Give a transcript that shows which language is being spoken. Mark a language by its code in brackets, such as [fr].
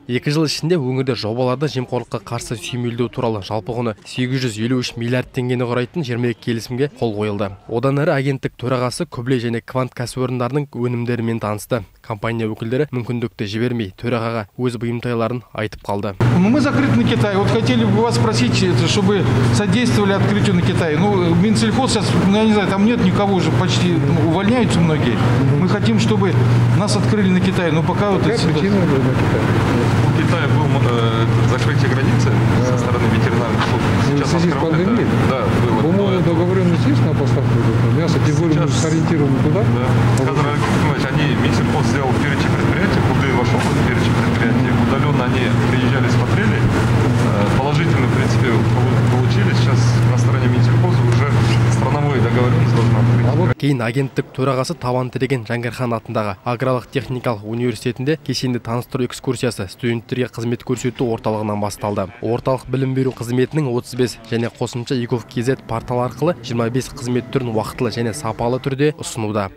[kk] 2 жыл ішінде өңірде жобаларды жемқорлыққа қарсы сүйемелдеу туралы жалпы құны 853 миллиард теңге құрайтын 22 келісімге қол қойылды. Одан әрі агенттік төрағасы Күбле және Квант кәсіпорындарының өнімдерімен танысты. Компания өкілдері мүмкіндікті жібермей төрағаға өз бұйымтайларын айтып қалды. [ru] Мы закрыты на Китай. Вот хотели бы вас спросить, чтобы содействовали открытию на Китай. Ну, Минсельхоз сейчас, ну, я не знаю, там нет никого уже, почти увольняются многие. Мы хотим, чтобы нас открыли на Китай. Ну, пока вот эти... У Китая был закрытие границы со стороны ветеринарных служб. Сейчас в связи с пандемией? Да, было. По-моему, договоренность есть на поставку? Мясо, тем более, мы сориентированы туда. Да. Казар Алексеевич, они, Минсельхоз сделал перечень предприятий, куда и вошел в перечень предприятий. Удаленно они приезжали, смотрели. Положительно, в принципе, получили. Сейчас на стороне Минсельхоза уже страновые договоренности должны открыть. [kk] Кейін агенттік төрағасы Таван Тіреген Жангархан атындағы Аграрлық техникалық университетінде кешенді таныстыру экскурсиясы студенттерге қызмет көрсету орталығынан басталды. Орталық білім беру қызметінің 35 және қосымша EGOV.KZ портал арқылы 25 қызмет түрін уақытылы және сапалы түрде ұсынуда.